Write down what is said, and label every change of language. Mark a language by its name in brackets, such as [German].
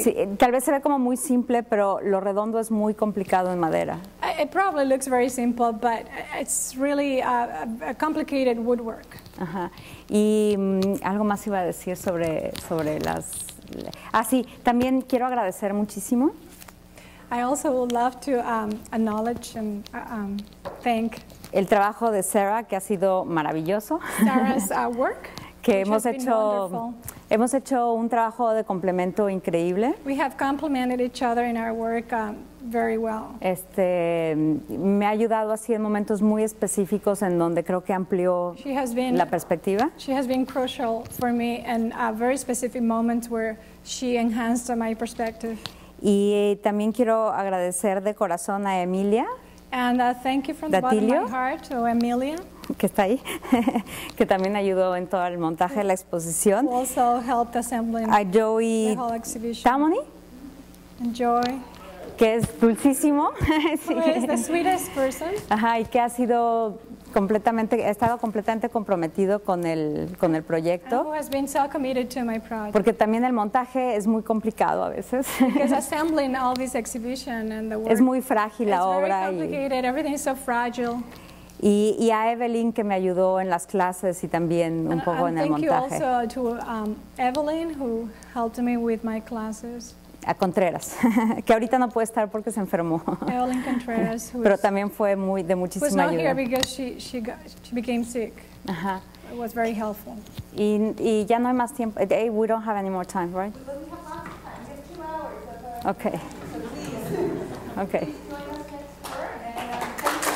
[Spanish] Sí, tal vez se ve como muy simple, pero lo redondo es muy complicado en madera. [English] It probably looks very simple, but it's really a complicated woodwork. Ajá. [Spanish] Y algo más iba a decir sobre las. Ah, sí. También quiero agradecer muchísimo. [English] I also would love to acknowledge and thank. [Spanish] El trabajo de Sarah, que ha sido maravilloso. [English] Sarah's work. [Spanish] Que hemos hecho un trabajo de complemento increíble. [English] We have complemented each other in our work very well. [Spanish] Me ha ayudado así en momentos muy específicos en donde creo que amplió la perspectiva. [English] She has been crucial for me in a very specific moments where she enhanced my perspective. [Spanish] Y también quiero agradecer de corazón a Emilia. [English] And thank you from Datilio, the bottom of my heart to Emilia. [Spanish] Que está ahí, que también ayudó en todo el montaje de la exposición. [English] Also helped assembling [Spanish] a Joey Tamoni. [English] Joy. [Spanish] Que es dulcísimo. Sí. [English] Who is the sweetest person. [Spanish] Ajá, y que ha estado completamente comprometido con el proyecto. [English] And who has been so committed to my project. [Spanish] Porque también el montaje es muy complicado a veces. [English] Because assembling all this exhibition and the work. [Spanish] Es muy frágil la obra. [English] It's very complicated, everything is so fragile. [Spanish] Y a Evelyn, que me ayudó en las clases y también un poco en el montaje. [English] Thank you also to Evelyn, who helped me with my classes. [Spanish] A Contreras, que ahorita no puede estar porque se enfermó. [English] Evelyn Contreras, [Spanish] pero también fue muy de muchísima ayuda. [English] Was not here because she became sick. Uh-huh. It was very helpful. [Spanish] Y ya no hay más tiempo. [English] Hey, we don't have any more time, right? We have lots of time. We have 2 hours. Okay. So please. Okay. Please join us next door. And,